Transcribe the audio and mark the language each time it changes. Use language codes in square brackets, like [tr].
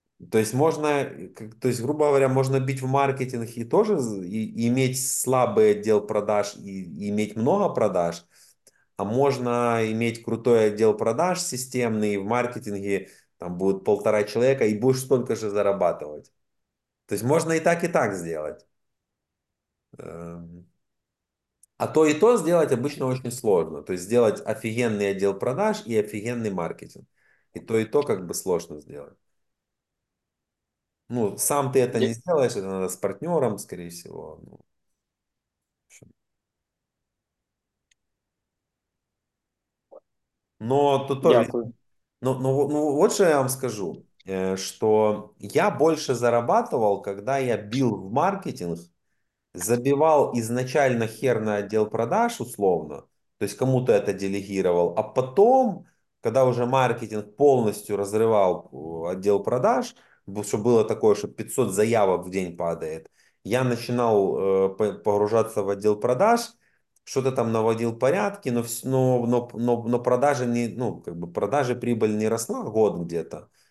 [uk] Тобто можна, тобто, грубо говоря, можна бити в маркетинг і теж і мати слабий відділ продаж і мати багато продаж, а можна мати крутий відділ продаж системний, і в маркетингі там буде півтора чоловіка, і будеш стільки ж заробляти. Тобто можна і так зробити. А то і то зробити обычно дуже складно. Тобто зробити офігенний відділ продаж і офігенний маркетинг. [ru] І то как бы сложно сделать. Ну, сам ты это не сделаешь, это надо с партнером, скорее всего. Ну, но тут тоже... [uk] Дякую. [ru] Ну, вот что я вам скажу, что я больше зарабатывал, когда я бил в маркетинг, забивал изначально хер на отдел продаж, условно, то есть кому-то это делегировал, а потом, когда уже маркетинг полностью разрывал отдел продаж, [uk] що було таке, що 500 заявок в день падає. Я починав погружатися в відділ продаж, щось там наводив порядки, но продажі не, ну, как бы продажі [ru] прибыль не росла год где-то.